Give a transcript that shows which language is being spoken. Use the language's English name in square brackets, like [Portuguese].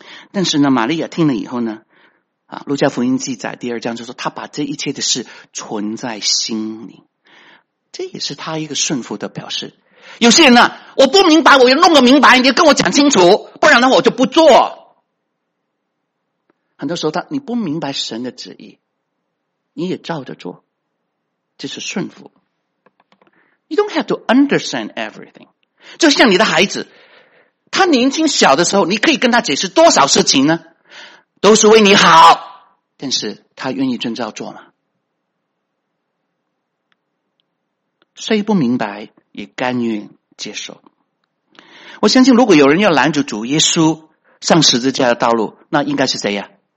[Chinese] 但是呢，玛利亚听了以后呢，路加福音记载第二章就说，他把这一切的事存在心里，这也是他一个顺服的表示。有些人呢，我不明白，我要弄个明白，你跟我讲清楚，不然呢我就不做。很多时候你不明白神的旨意，你也照着做，这是顺服。 [English] You don't have to understand everything。 [Chinese] 就像你的孩子，他年轻小的时候，你可以跟他解释多少事情呢？都是为你好，但是他愿意遵照做吗？虽不明白，也甘愿接受。我相信，如果有人要拦住主耶稣上十字架的道路，那应该是谁呀？